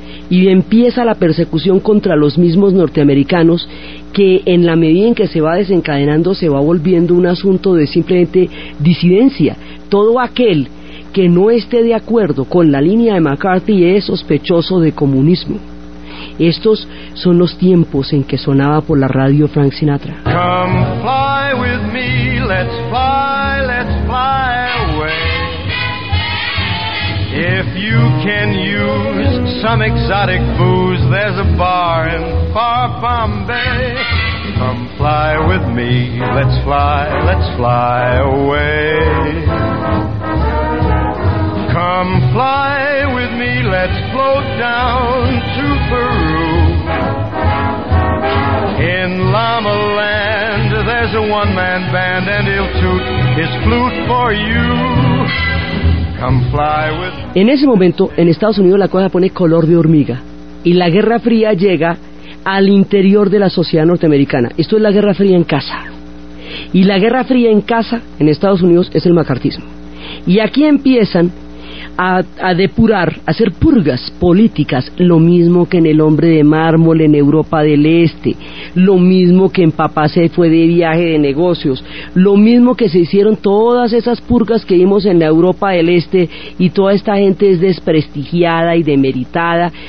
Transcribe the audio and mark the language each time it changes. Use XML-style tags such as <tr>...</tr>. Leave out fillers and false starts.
<es>Y empieza la persecución contra los mismos norteamericanos, que en la medida en que se va desencadenando se va volviendo un asunto de simplemente disidencia. Todo aquel que no esté de acuerdo con la línea de McCarthy es sospechoso de comunismo. Estos son los tiempos en que sonaba por la radio Frank Sinatra.</es> <en>Come fly with me, let's fly away. If you can use some exotic booze, there's a bar in far Bombay. Come fly with me, let's fly away. Come fly with me, let's float down to Peru. In Llama Land, there's a one-man band, and he'll toot his flute for you. Come fly with me.</en> <es>En ese momento, en Estados Unidos, la cosa pone color de hormiga, y la Guerra Fría llega al interior de la sociedad norteamericana. Esto es la Guerra Fría en casa. Y la Guerra Fría en casa, en Estados Unidos, es el macartismo. Y aquí empiezan a depurar, a hacer purgas políticas, lo mismo que en El Hombre de Mármol en Europa del Este, lo mismo que en Papá se fue de viaje de negocios, lo mismo que se hicieron todas esas purgas que vimos en la Europa del Este, y toda esta gente es desprestigiada y demeritada.</es>